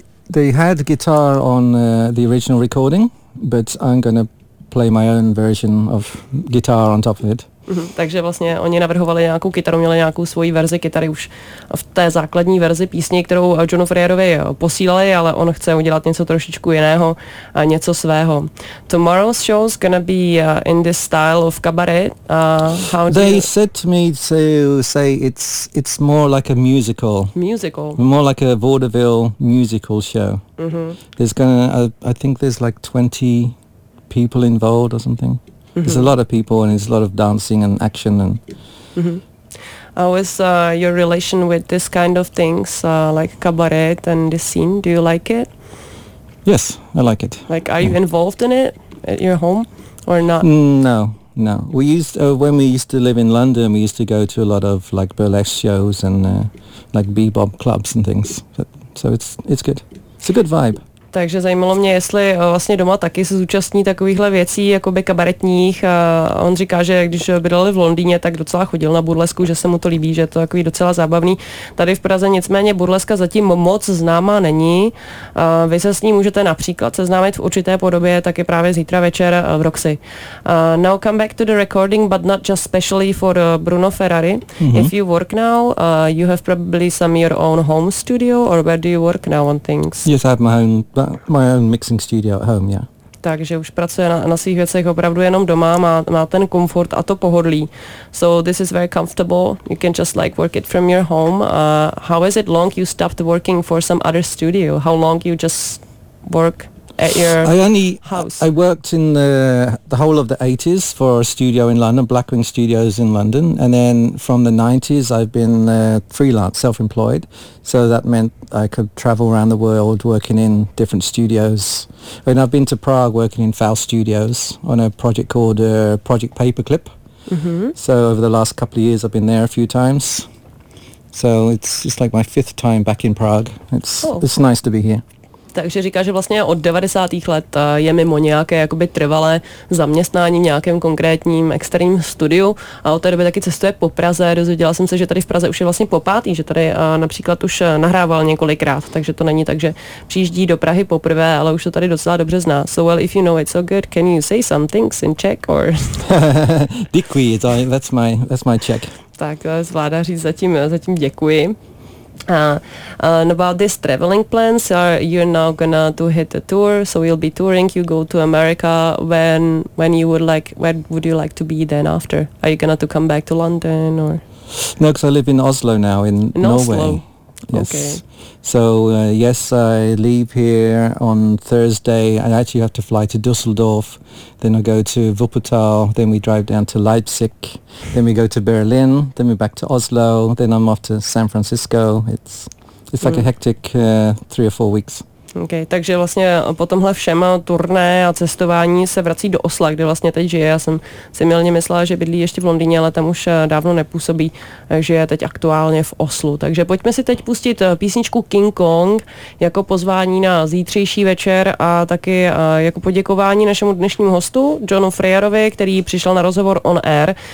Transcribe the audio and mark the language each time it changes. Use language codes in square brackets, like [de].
[en] They had guitar on the original recording, but I'm gonna play my own version of guitar on top of it. [cs] Takže vlastně oni navrhovali nějakou kytaru, měli nějakou svoji verzi kytary už v té základní verzi písně, kterou Johnu Freyrovi posílali, ale on chce udělat něco trošičku jiného, něco svého. [en] Tomorrow's show is gonna be in this style of cabaret. Said to me to say it's more like a musical. Musical. More like a vaudeville musical show. Mm-hmm. I think there's like 20 people involved or something. Mm-hmm. There's a lot of people, and there's a lot of dancing and action. And mm-hmm. How is your relation with this kind of things, like cabaret and the scene? Do you like it? Yes, I like it. Like, are you involved in it at your home or not? No. When we used to live in London, we used to go to a lot of like burlesque shows and like bebop clubs and things. So it's good. It's a good vibe. [cs] takže zajímalo mě, jestli vlastně doma taky se zúčastní takovýchhle věcí, jakoby kabaretních. On říká, že když bydleli v Londýně, tak docela chodil na burlesku, že se mu to líbí, že je to takový docela zábavný. Tady v Praze nicméně burleska zatím moc známá není. Vy se s ní můžete například seznámit v určité podobě, taky právě zítra večer v Roxy. [en] Now come back to the recording, but not just specially for Bruno Ferrari. Mm-hmm. If you work now, you have probably some your own home studio, or where do you work now on things? Yes, I have my own mixing studio at home, yeah. [cs] Takže už pracuje na svých věcech opravdu jenom doma, má ten komfort a to pohodlí. [en] So this is very comfortable, you can just like work it from your home. How is it long you stopped working for some other studio? How long you just work at your house? I worked in the whole of the 80s for a studio in London, Blackwing Studios in London, and then from the 90s I've been freelance, self-employed. So that meant I could travel around the world working in different studios. And I've been to Prague working in Faust Studios on a project called Project Paperclip. Mm-hmm. So over the last couple of years I've been there a few times. So it's like my fifth time back in Prague. It's nice to be here. [cs] Takže říká, že vlastně od 90. let je mimo nějaké jakoby trvalé zaměstnání v nějakém konkrétním externím studiu a od té doby taky cestuje po Praze. Dozvěděla jsem se, že tady v Praze už je vlastně po pátý, že tady například už nahrával několikrát, takže to není tak, že přijíždí do Prahy poprvé, ale už to tady docela dobře zná. [en] So well, if you know it so good, can you say some things in Czech or... [cs] Děkuji, [en] that's my Czech. [cs] Tak zvládá říct zatím děkuji. [en] About this traveling plans, you're now gonna to hit a tour, so you'll be touring, you go to America, when you would like, where would you like to be then after? Are you gonna to come back to London or? No, because I live in Oslo now, in Norway. Oslo. Yes. Okay. So yes, I leave here on Thursday, I actually have to fly to Dusseldorf, then I go to Wuppertal, then we drive down to Leipzig, then we go to Berlin, then we're back to Oslo, then I'm off to San Francisco, it's like a hectic 3 or 4 weeks. [cs] Okay, takže vlastně po tomhle všem turné a cestování se vrací do Osla, kde vlastně teď žije. Já jsem si mylně myslela, že bydlí ještě v Londýně, ale tam už dávno nepůsobí, že je teď aktuálně v Oslu. Takže pojďme si teď pustit písničku King Kong jako pozvání na zítřejší večer a taky jako poděkování našemu dnešnímu hostu, Johnu Freyerovi, který přišel na rozhovor on air.